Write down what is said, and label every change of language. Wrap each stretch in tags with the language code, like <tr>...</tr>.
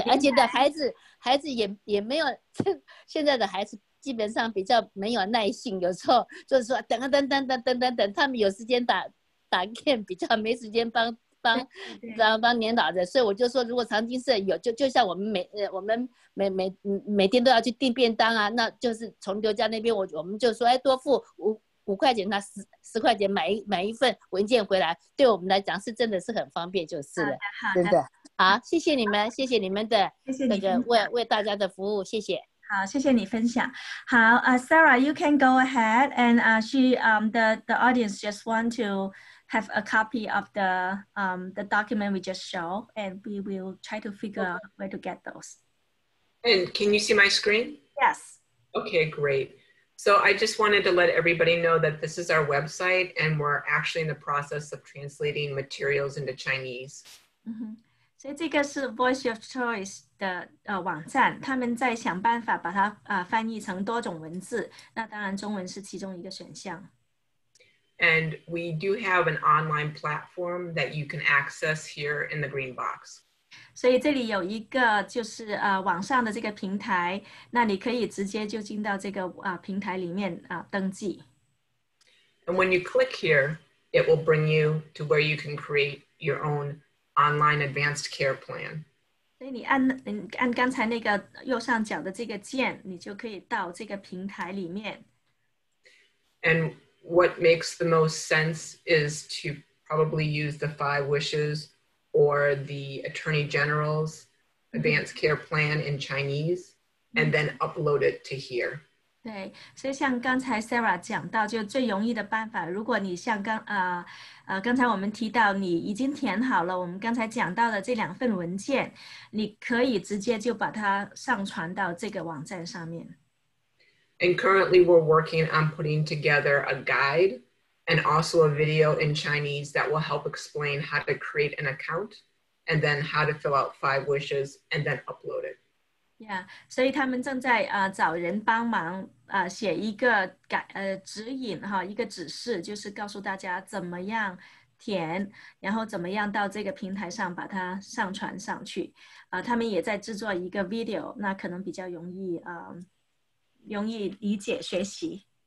<zh>而且的孩子也没有，现在的孩子基本上比较没有耐性，有时候就是说等啊等等等等等等，他们有时间打 game， 比较没时间帮年老人，所以我就说，如果长青社有，就像我们每天都要去订便当啊，那就是从刘家那边，我们就说，哎，多付五块钱，那十块钱买一份文件回来，对我们来讲是真的是很方便，就是了，真的。好，谢谢你们，谢谢你们的那个为大家的服务，谢谢。好，谢谢你分享。</zh> <en>好，Sara， you can go ahead and the audience just want to have a copy of the document we just show, and we will try to figure out where to get those. And can you see my screen? Yes. Okay, great. So I just wanted to let everybody know that this is our website, and we're actually in the process of translating materials into Chinese.</en> <zh>Mm-hmm. 所以这个是 Voice of Choice 的网站，他们在想办法把它翻译成多种文字，那当然中文是其中一个选项。</zh> <en>And we do have an online platform that you can access here in the green box.</en> <zh>所以这里有一个就是网上的这个平台，那你可以直接就进到这个平台里面登记。</zh> <en>And when you click here, it will bring you to where you can create your own online advanced care plan.</en> <zh>所以你按刚才那个右上角的这个键，你就可以到这个平台里面。</zh> <en>And what makes the most sense is to probably use the five wishes or the attorney general's advanced care plan in Chinese and then upload it to here.</en> <zh>对，所以像刚才 Sara 讲到，就最容易的办法，如果你像刚才我们提到你已经填好了我们刚才讲到的这两份文件，你可以直接就把它上传到这个网站上面。</zh> <en>And currently we're working on putting together a guide and also a video in Chinese that will help explain how to create an account and then how to fill out five wishes and then upload it.</en> <zh>Yeah, 所以他们正在找人帮忙写一个指引哈，一个指示，就是告诉大家怎么样填，然后怎么样到这个平台上把它上传上去。他们也在制作一个 video， 那可能比较容易容易理解学习。</zh>